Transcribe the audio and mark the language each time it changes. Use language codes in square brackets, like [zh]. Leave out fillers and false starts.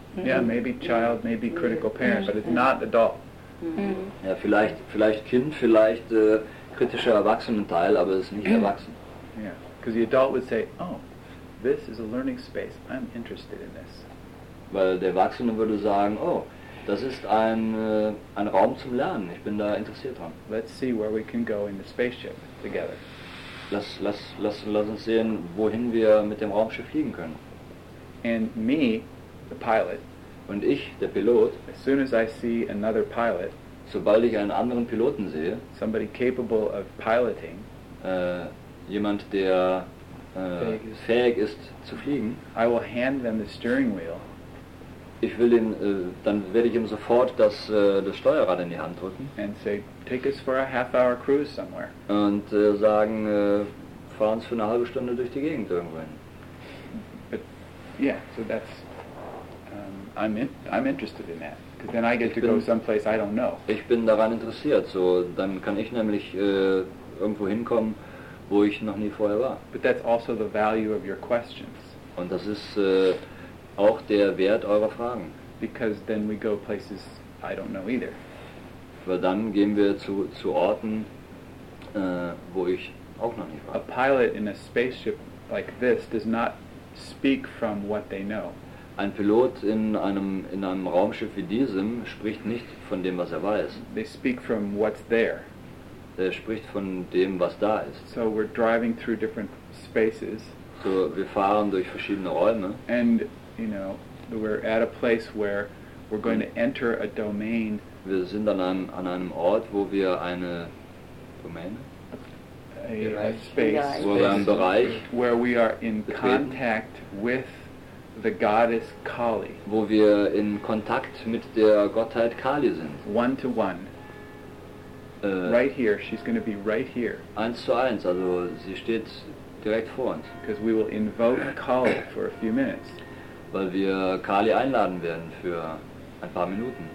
[en] Yeah, maybe child, maybe critical parent, but it's not adult. Mm-hmm. [de] Ja, vielleicht Kind, vielleicht kritischer Erwachsenenteil, aber es ist nicht erwachsen. [en] Yeah, because the adult would say, oh, this is a learning space. I'm interested in this. [de] Weil der Erwachsene würde sagen, oh, das ist ein Raum zum Lernen. Ich bin da interessiert dran. [en] Let's see where we can go in the spaceship together. [de] Lass uns sehen, wohin wir mit dem Raumschiff fliegen können. [en] And me, the pilot. [de] Und ich, der Pilot. [en] As soon as I see another pilot. [de] Sobald ich einen anderen Piloten sehe. [en] Somebody capable of piloting. [de] Jemand, der fähig ist zu fliegen. [en] I will hand them the steering wheel. [de] Ich will ihn, dann werde ich ihm sofort das Steuerrad in die Hand drücken. [en] And say, take us for a half-hour cruise somewhere. [de] Und sagen, fahr uns für eine halbe Stunde durch die Gegend irgendwo hin. [en] But yeah, so that's I'm interested in that. Because then I get to go someplace I don't know. [de] Ich bin daran interessiert. So dann kann ich nämlich irgendwo hinkommen, wo ich noch nie vorher war. [en] But that's also the value of your questions. [de] Und das ist auch der Wert eurer Fragen. [en] Because then we go places I don't know either. [de] Weil dann gehen wir zu Orten, wo ich auch noch nie war. [en] A pilot in a spaceship like this does not speak from what they know. [de] Ein Pilot in einem Raumschiff wie diesem spricht nicht von dem, was er weiß. [en] They speak from what's there. [de] Er spricht von dem, was da ist. [en] So we're driving through different spaces. [de] So wir fahren durch verschiedene Räume. [en] And you know, we're at a place where we're going to enter a domain. [de] Wir sind an einem Ort, wo wir eine Domäne, [en] a space, [de] wo wir einen Bereich, [en] where we are in contact with the goddess Kali. [de] Wo wir in Kontakt mit der Gottheit Kali sind. [en] One to one. Right here, she's going to be right here. [de] Eins zu eins, also sie steht direkt vor uns. [en] Because we will invoke Kali for a few minutes. [de] Weil wir Kali einladen werden für ein paar Minuten.